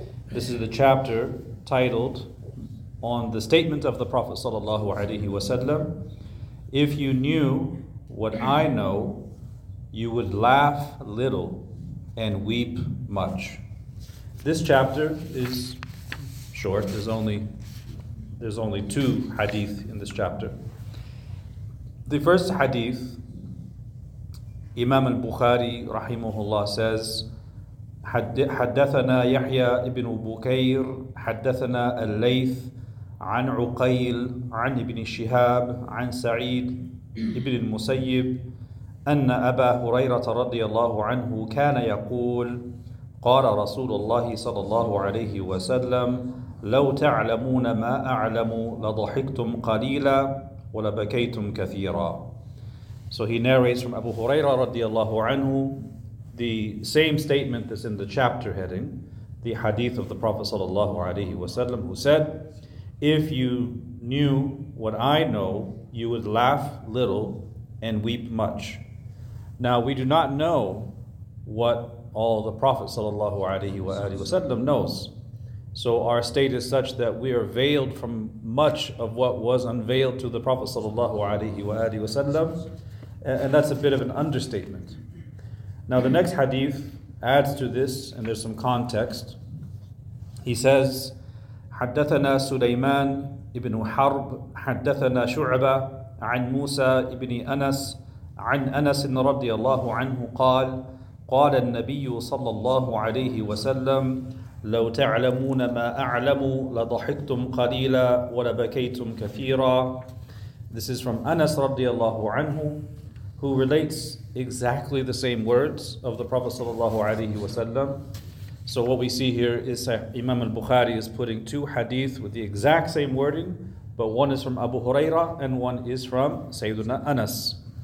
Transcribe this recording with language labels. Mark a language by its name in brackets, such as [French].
[English] This is the chapter titled on the statement of the Prophet sallallahu alayhi wa sallam, if you knew what I know, you would laugh little and weep much. This chapter is short. There's only two hadith in this chapter. The first hadith, Imam al-Bukhari rahimahullah says, [Arabic] حدثنا يحيى ابن بكير حدثنا الليث عن عقيل عن ابن شهاب عن سعيد ابن المسيب أن أبا هريرة رضي الله عنه كان يقول قال رسول الله صلى الله عليه وسلم لو تعلمون ما أعلم لضحكتم قليلا ولبكيتم كثيرا. [English] So he narrates from Abu Huraira radiallahu anhu the same statement that's in the chapter heading, the hadith of the Prophet sallallahu alayhi wasallam, who said, if you knew what I know, you would laugh little and weep much. Now we do not know what all the Prophet sallallahu alayhi wasallam knows. So our state is such that we are veiled from much of what was unveiled to the Prophet sallallahu alayhi wasallam. And that's a bit of an understatement. Now the next hadith adds to this, and there's some context. He says, [Arabic] حَدَّثَنَا سُلَيْمَانِ إِبْنُ حَرْبِ حَدَّثَنَا شُعْبَ عَنْ مُوسَى إِبْنِ أَنَسِ عَنْ أَنَسٍ رَضِيَ اللَّهُ عَنْهُ قَالَ قال النبي صلى الله عليه وسلم لو تعلمون ما أعلم لضحكتم قليلا ولبكيتم كثيرا. [English] This is from Anas radiallahu anhu, who relates exactly the same words of the Prophet sallallahu alayhi wasallam. So what we see here is Imam al-Bukhari is putting two hadith with the exact same wording, but one is from Abu Huraira and one is from Sayyiduna Anas.